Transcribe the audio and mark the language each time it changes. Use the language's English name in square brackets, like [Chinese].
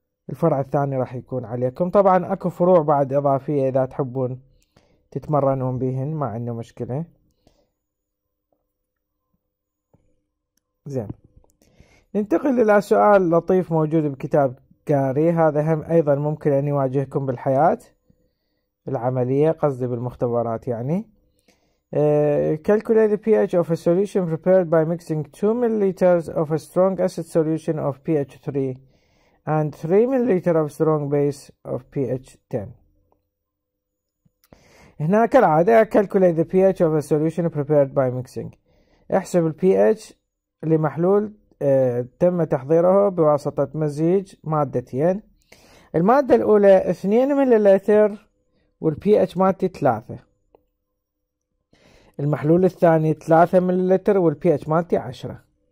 [Arabic] الفرع الثاني راح يكون عليكم. طبعا اكو فروع بعد اضافية اذا تحبون تتمرنون بهن، ما عنده مشكلة. زين، ننتقل الى سؤال لطيف موجود بكتاب جاري، هذا هم ايضا ممكن ان يواجهكم بالحياة العملية، قصدي بالمختبرات يعني. [English] Calculate the pH of a solution prepared by mixing 2 milliliters of a strong acid solution of pH 3 and 3 millilitre of strong base of pH 10. [Arabic] هنا كالعادة [English] calculate the pH of a solution prepared by mixing، [Arabic] احسب الـ pH لمحلول تم تحضيره بواسطة مزيج مادتين، المادة الأولى 2 ملليتر والـ pH مادتي 3، المحلول الثاني 3 ملليتر والـ pH مادتي 10.